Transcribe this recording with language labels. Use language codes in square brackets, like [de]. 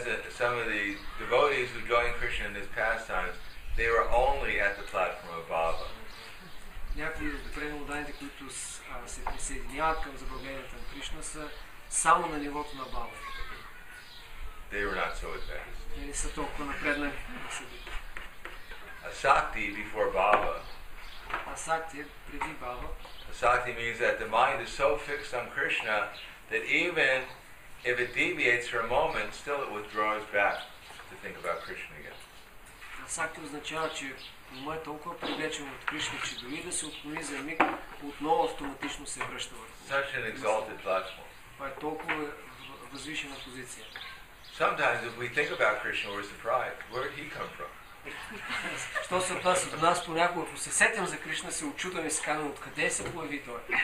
[en] Some of the devotees who joined Krishna in his pastimes, they were only at the platform of Baba. [bg] Някои от преподаваните, които се присъединяват към забавленията на Кришна, са само на нивото на Баба. [en] They were not so advanced. [bg] Не са толкова напреднали. [en] Asakti before Baba. [bg] Asakti преди Баба. [en] Asakti means that the mind is so fixed on Krishna that even if it deviates for a moment, still it withdraws back to think about Krishna again. [bg] Asakti означава, че умът е толкова привлечен от Кришна, че дори да се отклони за миг, отново автоматично се връща върху. [en] Such an exalted platform. [bg] Това е толкова възвишена позиция. [en] So Sometimes if we think about Krishna, we're surprised. Where did he come from? [bg] Що се отнася до нас понякога, ако се сетим за Кришна, се очудваме и се казваме откъде се появи той.